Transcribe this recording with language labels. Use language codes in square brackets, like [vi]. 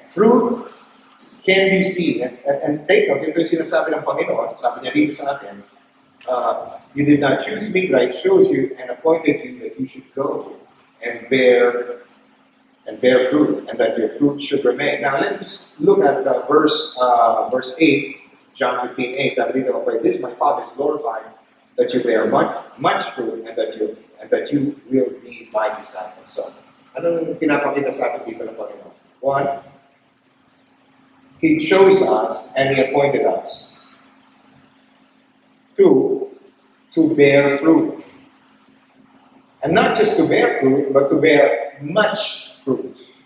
[en] Fruit can be seen. And take note, [tl] ito yung sinasabi ng Panginoon, sabi niya dito sa atin, [en] you did not choose me, but I chose you and appointed you that you should go and bear fruit, and that your fruit should remain. Now let's just look at verse 8, John 15:8. [tl] Sabi dito, [en] okay, this my Father is glorified that you bear much fruit, and that you will be my disciples. [tl] So, ano yung pinapakita sa atin dito ng Panginoon? [en] One, He chose us and He appointed us. Two, to bear fruit. And not just to bear fruit, but to bear much fruit.